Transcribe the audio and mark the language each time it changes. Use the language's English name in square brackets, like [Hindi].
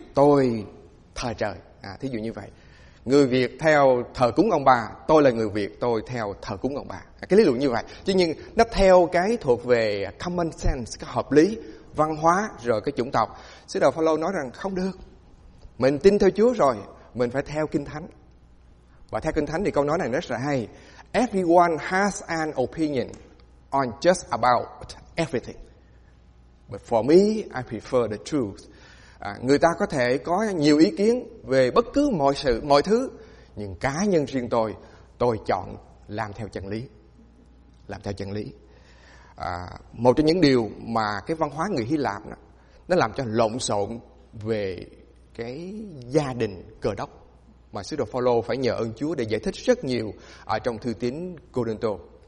[Vietnamese] tôi thờ trời. Thí dụ như vậy. Người Việt theo thờ cúng ông bà, tôi là người Việt, tôi theo thờ cúng ông bà. Cái lý luận như vậy. Chứ nhưng nó theo cái thuộc về common sense, cái hợp lý, văn hóa, rồi cái chủng tộc. Sứ đồ Phaolô nói rằng không được. Mình tin theo Chúa rồi, mình phải theo Kinh Thánh. Và theo Kinh Thánh thì câu nói này rất là hay. [English] Everyone has an opinion on just about everything. But for me, I prefer the truth. [Vietnamese] Người ta có thể có nhiều ý kiến về bất cứ mọi sự, mọi thứ. Nhưng cá nhân riêng tôi chọn làm theo chân lý. Làm theo chân lý. Một trong những điều mà cái văn hóa người Hy Lạp đó, nó làm cho lộn xộn về cái gia đình cờ đốc mà sứ đồ Phaolô phải nhờ ơn Chúa để giải thích rất nhiều ở trong thư tín Côrintô.